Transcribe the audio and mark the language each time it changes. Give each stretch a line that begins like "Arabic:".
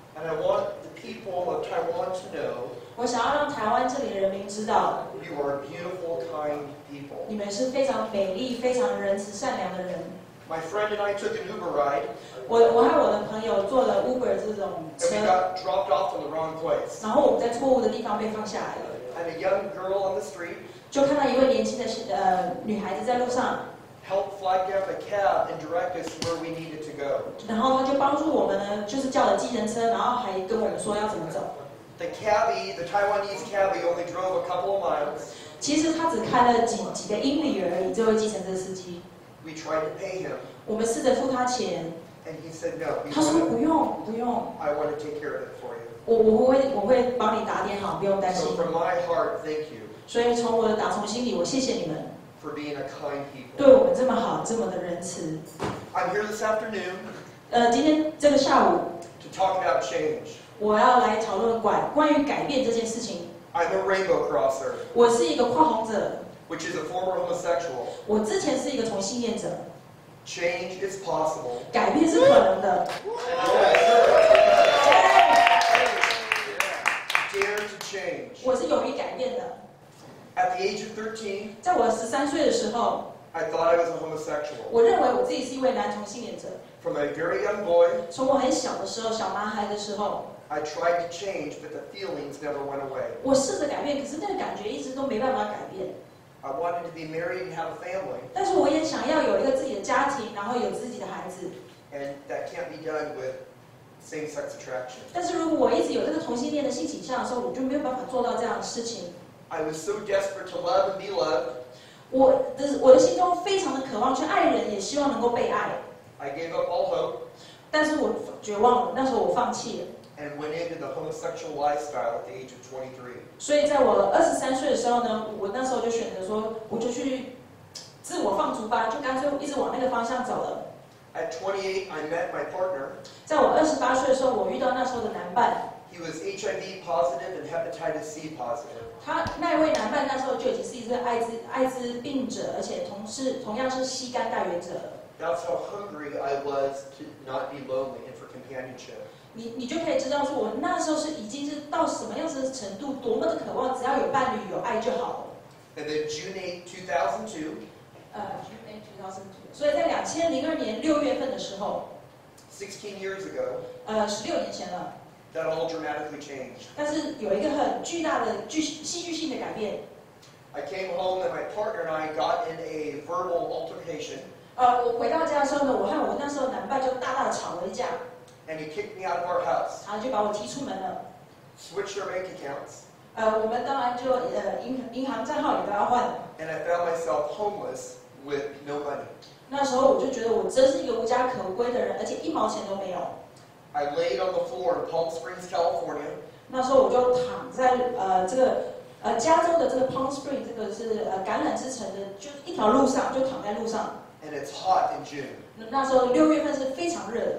English: And I want the people of Taiwan to know.
Chinese: 我想要让台湾这里的人民知道。
English: You are beautiful, kind people.
Chinese: 你们是非常美丽、非常仁慈、善良的人。
English: My friend and I took an Uber ride.
Chinese: 我和我的朋友坐了 Uber 这种车。
English: And we got dropped off in the wrong place.
Chinese: 然后我们在错误的地方被放下来了。
English: And a young girl on the street.
Chinese: 就看到一位年轻的女孩子在路上。
English: Help flag down the cab and direct us where we needed to go.
Chinese: 然后他就帮助我们呢，就是叫了计程车，然后还跟我们说要怎么走。
English: The cabbie, the Taiwanese cabbie, only drove a couple of miles.
Chinese: 其实他只开了几个英里而已，这位计程车司机。
English: We tried to pay him.
Chinese: 我们试着付他钱。
English: And he said no.
Chinese: 他说不用，不用。
English: I want to take care of it for you.
Chinese: 我会帮你打点好，不用担心。
English: So from my heart, thank you.
Chinese: 所以从我的打从心里，我谢谢你们。
English: For being a kind people.
Chinese: 对我们这么好，这么的仁慈。
English: I'm here this afternoon.
Chinese: 今天这个下午。
English: To talk about change.
Chinese: 我要来讨论关于改变这件事情。
English: I'm a rainbow crosser.
Chinese: 我是一个跨红者。
English: Which is a former homosexual.
Chinese: 我之前是一个同性恋者。
English: Change is possible.
Chinese: 改变是可能的。
English: Dare to change.
Chinese: 我是勇于改变的。
English: At the age of 13,
Chinese: 在我13岁的时候
English: ，I thought I was a homosexual.
Chinese: 我认为我自己是一位男同性恋者。
English: From a very young boy,
Chinese: 从我很小的时候，小男孩的时候
English: ，I tried to change, but the feelings never went away.
Chinese: 我试着改变，可是那个感觉一直都没办法改变。
English: I wanted to be married and have a family.
Chinese: 但是我也想要有一个自己的家庭，然后有自己的孩子。
English: And that can't be done with same-sex attraction.
Chinese: 但是如果我一直有这个同性恋的性倾向的时候，我就没有办法做到这样的事情。
English: I was so desperate to love and be loved.
Chinese: 我的心中非常的渴望去爱人，也希望能够被爱。
English: I gave up all hope.
Chinese: 但是我绝望了，那时候我放弃了。
English: And went into the homosexual lifestyle at the age of 23.
Chinese: 所以在我23岁的时候呢，我那时候就选择说，我就去自我放逐吧，就干脆一直往那个方向走了。
English: At 28, I met my partner.
Chinese: 在我28岁的时候，我遇到那时候的男伴。
English: He was HIV positive and hepatitis C positive.
Chinese: 他那位男伴那时候就已经是一个艾滋病者，而且同样是吸肝带源者。
English: That's how hungry I was to not be lonely and for companionship.
Chinese: 你就可以知道说，我那时候是已经是到什么样子的程度，多么的渴望只要有伴侣有爱就好了。
English: And then
Chinese: June 8, 2002. 所以在2002年6月份的时候。
English: 16 years ago.
Chinese: 16年前了。
English: That all dramatically changed.
Chinese: 但是有一个很巨大的戏剧性的改变。
English: I came home and my partner and I got in a verbal altercation.
Chinese: 我回到家的时候呢，我和我那时候男伴就大大的吵了一架。
English: And he kicked me out of our house.
Chinese: 他就把我踢出门了。
English: Switched our bank accounts.
Chinese: 我们当然就银行账号也都要换了。
English: And I found myself homeless with no money.
Chinese: 那时候我就觉得我真是一个无家可归的人，而且一毛钱都没有。
English: I laid on the floor in Palm Springs, California.
Chinese: 那时候我就躺在加州的这个 Palm Springs 这个是橄榄之城的就一条路上就躺在路上。
English: And it's hot in June.
Chinese: 那时候六月份是非常热。